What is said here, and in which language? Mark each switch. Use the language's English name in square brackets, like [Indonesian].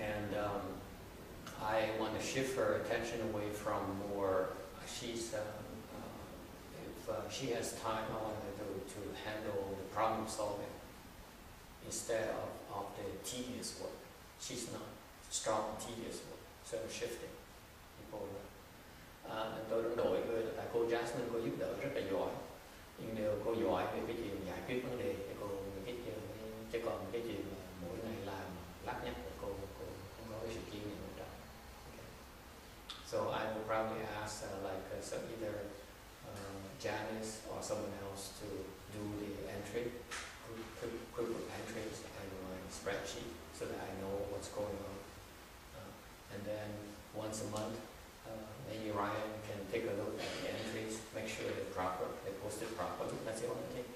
[English] And I want to shift her attention away from more, if she has time, I want her to handle the problem solving instead of the tedious work. She's not strong tedious work, so I'm shifting people. [Vietnamese] Tôi đã đổi người là tại cô Jasmine, cô giúp đỡ rất là giỏi. Nhưng nếu cô giỏi về cái chuyện giải quyết vấn đề thì cô chứ còn cái chuyện mà mỗi ngày làm lắc nhắc của cô không có cái sự kiên nhẫn đó. [English] So I will probably ask either Janice or someone else to do the entry, quick entry and my spreadsheet so that I know what's going on. And then once a month, maybe Ryan can take a look at the entries, make sure they're proper, they're posted properly. That's the only thing.